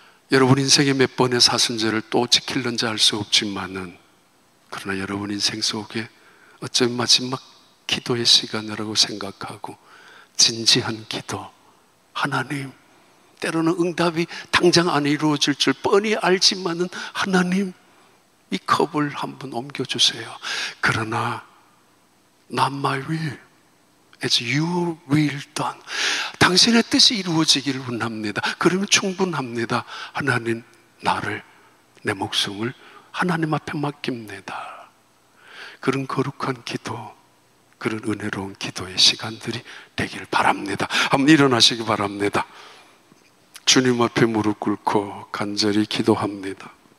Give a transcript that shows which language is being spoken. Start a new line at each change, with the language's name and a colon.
Korean: 여러분 인생에 몇 번의 사순절을 또 지키는지 알 수 없지만은 그러나 여러분 인생 속에 어쩌면 마지막 기도의 시간이라고 생각하고 진지한 기도, 하나님 때로는 응답이 당장 안 이루어질 줄 뻔히 알지만은 하나님 이 컵을 한번 옮겨주세요. 그러나
English: not my will, as your will done.
Korean: 당신의 뜻이 이루어지기를 원합니다. 그러면 충분합니다. 하나님 나를 내 목숨을 하나님 앞에 맡깁니다. 그런 거룩한 기도, 그런 은혜로운 기도의 시간들이 되길 바랍니다. 한번 일어나시기 바랍니다. 주님 앞에 무릎 꿇고 간절히 기도합니다.